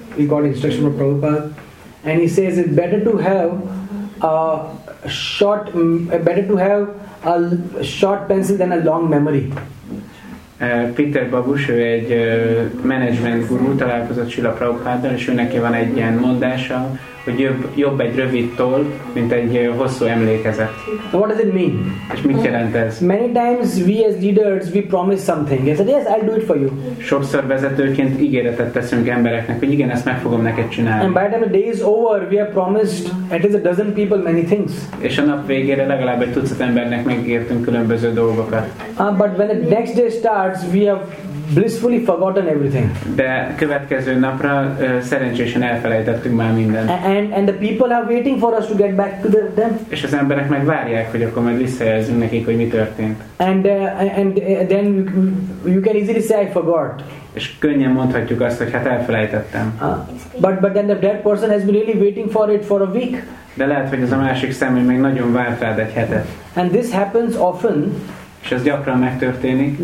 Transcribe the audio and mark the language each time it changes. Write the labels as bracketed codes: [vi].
[en] He got instruction from Prabhupada, and he says it's better to have a short pencil than a long memory. [hu] Peter Babus, ő egy management guru, találkozott Srila Prabhupáddal, és ő neki van egy ilyen mondása, hogy jobb egy rövid toll, mint egy hosszú emlékezet. [en] So what does it mean? [hu] És mit jelent ez? [en] Many times we as leaders we promise something. I said, yes, I'll do it for you. [hu] Sokszor vezetőként ígéretet teszünk embereknek, hogy igen, ezt meg fogom neked csinálni. [en] And by the time the day is over, we have promised at least a dozen people many things. [hu] És a nap végére legalább egy tucat embernek megígértünk különböző dolgokat. [en] But when the next day starts, we have blissfully forgotten everything. [hu] De következő napra szerencsésen elfelejtettünk már mindent. [en] And the people are waiting for us to get back to them. [hu] És az emberek meg várják, hogy akkor majd visszajelzünk nekik, hogy mi történt. [en] And then you can easily say I forgot. [hu] És könnyen mondhatjuk azt, hogy hát elfelejtettem. [en] But then the dead person has been really waiting for it for a week. [hu] De lehet, hogy az a másik személy még nagyon várt rád egy hetet. [en] And this happens often. [hu] És ez gyakran megtörténik.